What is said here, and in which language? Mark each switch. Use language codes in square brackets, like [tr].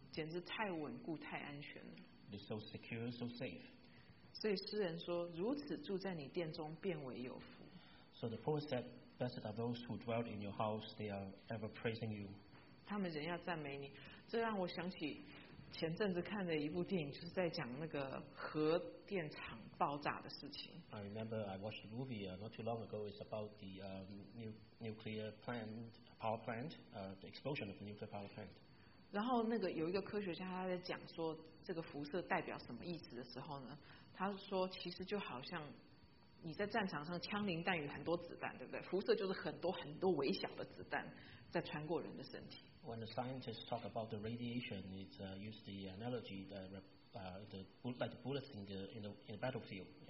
[zh] 简直太稳固太安全了。 [en] It is so secure, so safe. [zh] 所以诗人说，如此住在你殿中便为有福。 [en] So the poet said, blessed are those who dwell in your house, they are ever praising you. [zh] 他们人要赞美你。这让我想起前阵子看的一部电影，就是在讲那个核电厂爆炸的事情。 [en] I remember I watched a movie not too long ago. It's about the nuclear plant, power plant, the explosion of the nuclear power plant. [zh] 然后那个有一个科学家他在讲说这个辐射代表什么意思的时候呢，他说其实就好像你在战场上枪林弹雨很多子弹，对不对？辐射就是很多很多微小的子弹在穿过人的身体。 [en] When the scientists talk about the radiation, it's use the analogy that like the bullets in the battlefield.